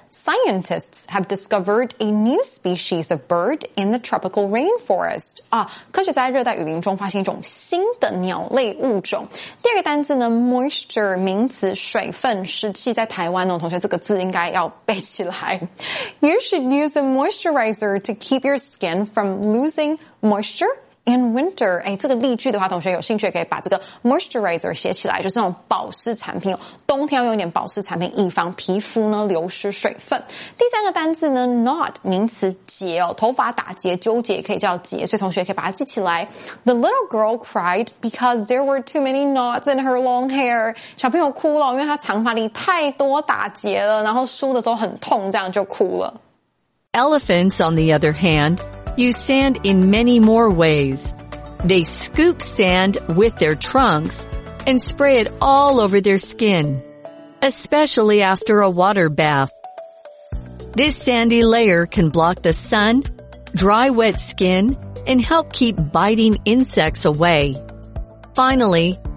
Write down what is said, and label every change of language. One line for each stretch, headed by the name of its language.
English: scientists have discovered a new species of bird in the tropical rainforest
Chinese: 啊，科学在热带雨林中发现一种新的鸟类物种第二个单字呢 moisture 名词水份湿气在台湾哦，同学，这个字应该要背起来。
English: You should use a moisturizer to keep your skin from losing moisture in winter.
Chinese: 哎，这个例句的话，同学有兴趣可以把这个 moisturizer 写起来，就是那种保湿产品哦。冬天要用一点保湿产品，以防皮肤呢流失水分。第三个单字呢 ，knot 名词结哦，头发打结、纠结也可以叫结，所以同学可以把它记起来。
English: The little girl cried because there were too many knots in her long hair.
Chinese: 小朋友哭了，因为她长发里太多打结了，然后梳的时候很痛，这样就哭了。
English: Elephants, on the other hand. Use sand in many more ways. They scoop sand with their trunks and spray it all over their skin, especially after a water bath. This sandy layer can block the sun, dry wet skin, and help keep biting insects away. Finally,